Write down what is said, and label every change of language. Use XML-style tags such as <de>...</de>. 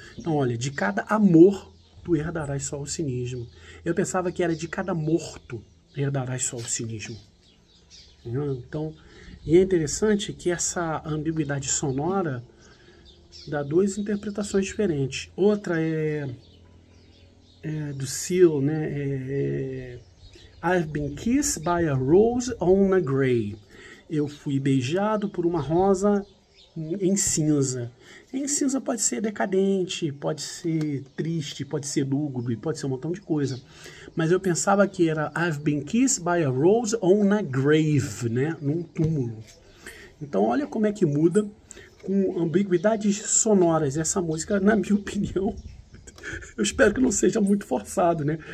<pt>Então, olha, de cada amor tu herdarás só o cinismo. Eu pensava que era de cada morto herdarás só o cinismo. Então, e é interessante que essa ambiguidade sonora dá duas interpretações diferentes. Outra é do Seal, né?</pt> <en>I've been kissed by a rose on a gray.</en> <pt>Eu fui beijado por uma rosa em cinza. Em cinza pode ser decadente, pode ser triste, pode ser lúgubre, pode ser um montão de coisa. Mas eu pensava que era</pt> <en>I've been kissed by a rose on a grave,</en> <pt>né? Num túmulo. Então olha como é que muda com ambiguidades sonoras essa música, na minha opinião. Eu espero que não seja muito forçado, né?</pt>